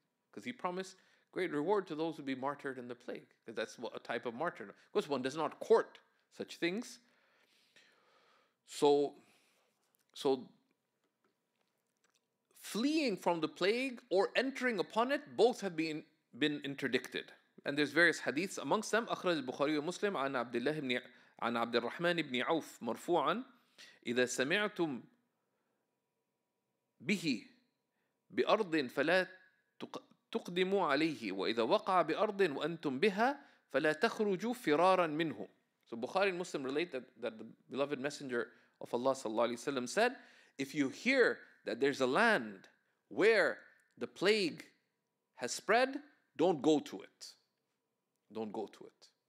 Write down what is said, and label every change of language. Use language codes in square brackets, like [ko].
[en] Because he promised great reward to those who be martyred in the plague. Because that's what a type of martyr. Of course, one does not court such things. So, fleeing from the plague or entering upon it, both have been interdicted. And there's various hadiths amongst them. [ar] أخرج البخاري ومسلم عن عبد الله بن عن عبد الرحمن بن عوف مرفوعا إذا سمعتم به بأرض فلا تقدموا عليه وإذا وقع بأرض وأنتم بها فلا تخرجوا فرارا منه. [en] So Bukhari and Muslim relate that the beloved messenger of Allah sallallahu alaihi wasallam said, if you hear that there's a land where the plague has spread, don't go to it. Don't go to it.